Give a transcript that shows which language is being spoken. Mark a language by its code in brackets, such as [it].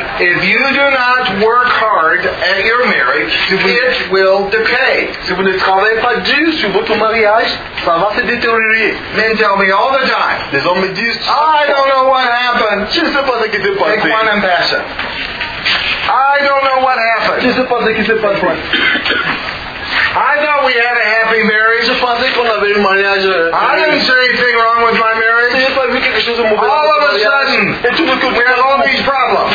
[en] If you do not work hard at your marriage, it will decay. [fr] Si vous ne travaillez pas dur sur votre mariage, ça va se détériorer. [en] Men tell me all the time. [fr] Les hommes me disent, [en] I don't know what happened. [fr] Je ne sais pas ce qui s'est passé. [en] Take one and pass it. I don't know what happened. [fr] Je ne sais pas ce qui s'est passé. [en] I thought we had a happy marriage. [fr] Je pensais qu'on avait un mariage. [en] I didn't say anything wrong with my marriage. [fr] J'ai pas vu quelque chose de mauvais. [en] All of a sudden, we have all these problems.